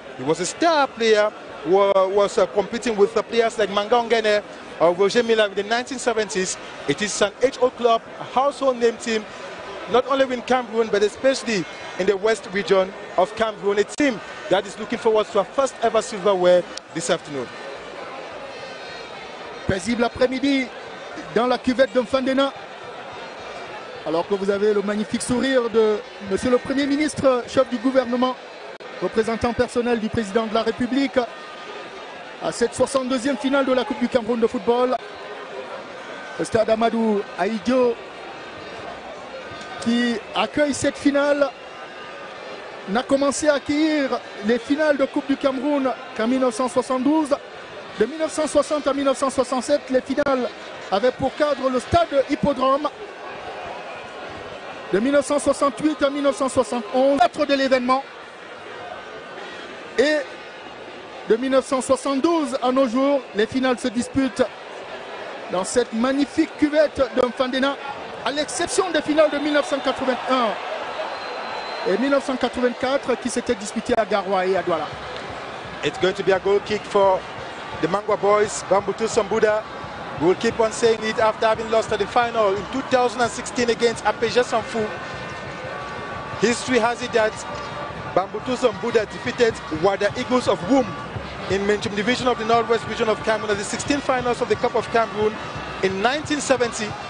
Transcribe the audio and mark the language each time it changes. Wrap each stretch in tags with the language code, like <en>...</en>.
<en>He was a star player who was competing with the players like Manga Ongene or Roger Miller in the 1970s. It is an age-old club, a household name team, not only in Cameroon, but especially in the West region of Cameroon. A team that is looking forward to a first ever silverware this afternoon.</en> <fr>Paisible après-midi dans la cuvette de Mfandena. Alors que vous avez le magnifique sourire de Monsieur le Premier ministre, chef du gouvernement, représentant personnel du président de la République, à cette 62e finale de la Coupe du Cameroun de football. Le stade Amadou Ahidjo qui accueille cette finale n'a commencé à accueillir les finales de Coupe du Cameroun qu'en 1972. De 1960 à 1967, les finales avaient pour cadre le stade Hippodrome. De 1968 à 1971, maître de l'événement. Et de 1972 à nos jours. Les finales se disputent dans cette magnifique cuvette de Mfandena, à l'exception des finales de 1981 et 1984 qui s'étaient disputées à Garoua et à Douala.</fr> <en>It's going to be a goal kick for the Mangwa boys, Bambutu Sambuda. We'll keep on saying it after having lost at the final in 2016 against Apeja Sanfu. History has it that Bambutu Sambuda defeated Wada Eagles of Wum in Menchum Division of the Northwest Region of Cameroon at the 16th finals of the Cup of Cameroon in 1970.</en>